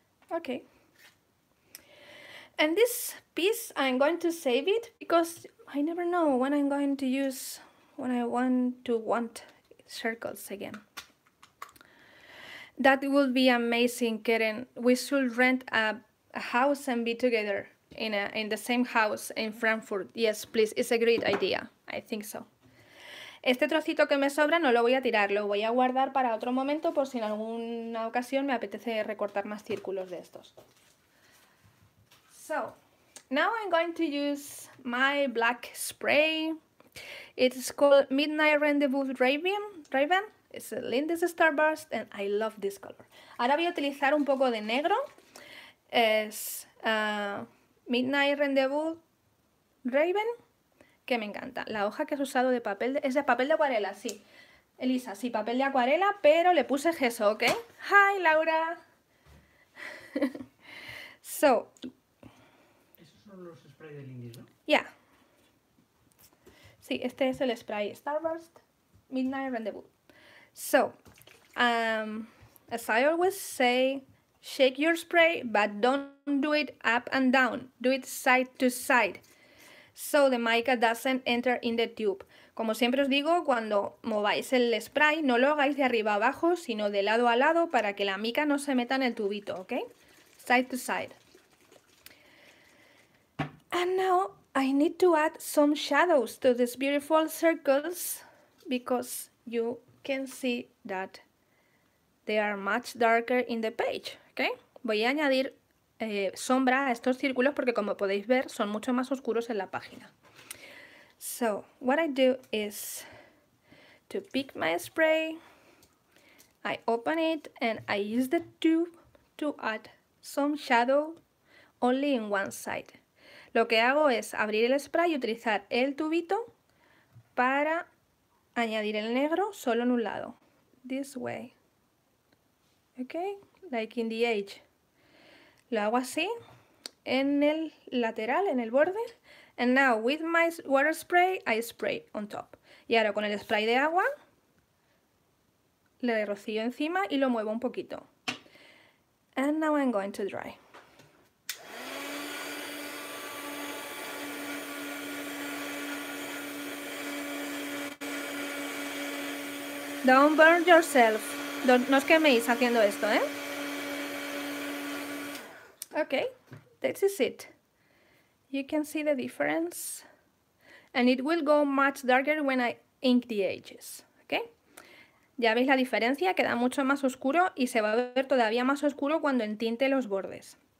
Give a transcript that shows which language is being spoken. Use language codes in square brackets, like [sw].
[en] Okay. And this piece, I'm going to save it because I never know when I'm going to use, when I want circles again. That would be amazing, Karen. We should rent a house and be together in the same house in Frankfurt. Yes, please. It's a great idea. I think so. [es] Este trocito que me sobra no lo voy a tirar, lo voy a guardar para otro momento por si en alguna ocasión me apetece recortar más círculos de estos. [en] So, now I'm going to use my black spray. It's called Midnight Rendezvous Raven. It's a Lindy's Starburst and I love this color. [es] Ahora voy a utilizar un poco de negro. Es Midnight Rendezvous Raven. Que me encanta. La hoja que has usado de papel... Es de papel de acuarela, sí. Elisa, sí, papel de acuarela, pero le puse gesso, ¿ok? [en] ¡Hi, Laura! So... [es] Esos son los sprays de Lindy, ¿no? Yeah. Sí, este es el spray Starburst Midnight Rendezvous. [en] So, as I always say, shake your spray, but don't do it up and down. Do it side to side. So the mica doesn't enter in the tube. [es] Como siempre os digo, cuando mováis el spray, no lo hagáis de arriba abajo, sino de lado a lado para que la mica no se meta en el tubito, ¿ok? [en] Side to side. And now I need to add some shadows to these beautiful circles because you can see that they are much darker in the page, ¿ok? [es] Voy a añadir sombra a estos círculos porque como podéis ver son mucho más oscuros en la página. [en] So what I do is to pick my spray, I open it and I use the tube to add some shadow only in one side. [es] Lo que hago es abrir el spray y utilizar el tubito para añadir el negro solo en un lado. [en] This way. Okay, like in the edge. [es] Lo hago así, en el lateral, en el borde. [en] And now, with my water spray, I spray on top. [es] Y ahora con el spray de agua, le rocío encima y lo muevo un poquito. [en] And now I'm going to dry. Don't burn yourself. [es] No os queméis haciendo esto, ¿eh? [en] Okay, this is it. You can see the difference. And it will go much darker when I ink the edges. Okay? [es] Ya veis la diferencia, queda mucho más oscuro y se va a ver todavía más oscuro cuando entinte los bordes.